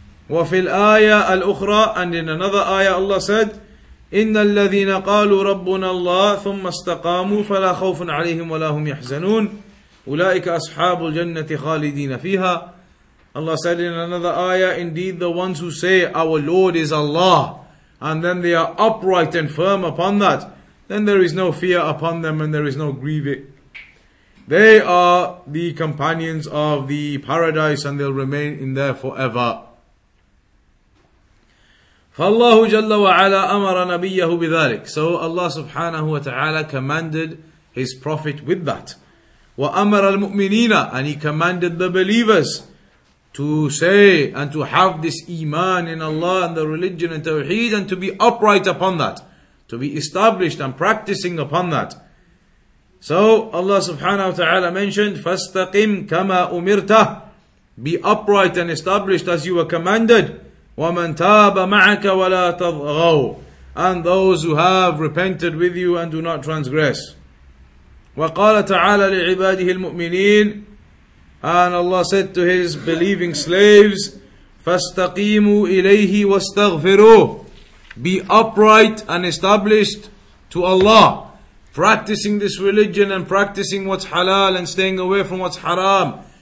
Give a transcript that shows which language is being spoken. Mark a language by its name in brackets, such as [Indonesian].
[Arabic] وَفِي الْآيَةِ الْأُخْرَىٰ [English] And in another ayah Allah said, [Arabic] إِنَّ الَّذِينَ قَالُوا رَبُّنَا اللَّهِ ثُمَّ اسْتَقَامُوا فَلَا خَوْفٌ عَلَيْهِمْ وَلَا هُمْ يَحْزَنُونَ أُولَٰئِكَ أَصْحَابُ الْجَنَّةِ خَالِدِينَ فِيهَا [English] Allah said in another ayah, Indeed the ones who say, Our Lord is Allah, and then they are upright and firm upon that, then there is no fear upon them and there is no grieving. They are the companions of the paradise and they'll remain in there forever. [Arabic] فالله جل وعلا أمر نبيه بذلك. [English] So Allah سبحانه وتعالى commanded His Prophet with that. [Arabic] وأمر المؤمنين [English] and He commanded the believers to say and to have this iman in Allah and the religion and tawheed and to be upright upon that, to be established and practicing upon that. So Allah سبحانه وتعالى mentioned [Arabic] فاستقم كما أمرت. [English] Be upright and established as you were commanded. [Arabic] وَمَنْ تَابَ مَعَكَ وَلَا تَضْغَوْ [English] And those who have repented with you and do not transgress. [Arabic] وَقَالَ تَعَالَ لِعِبَادِهِ الْمُؤْمِنِينَ [English] And Allah said to His believing slaves, [Arabic] فَاسْتَقِيمُوا إِلَيْهِ وَاسْتَغْفِرُوهُ [English] Be upright and established to Allah, practicing this religion and practicing what's halal and staying away from what's haram.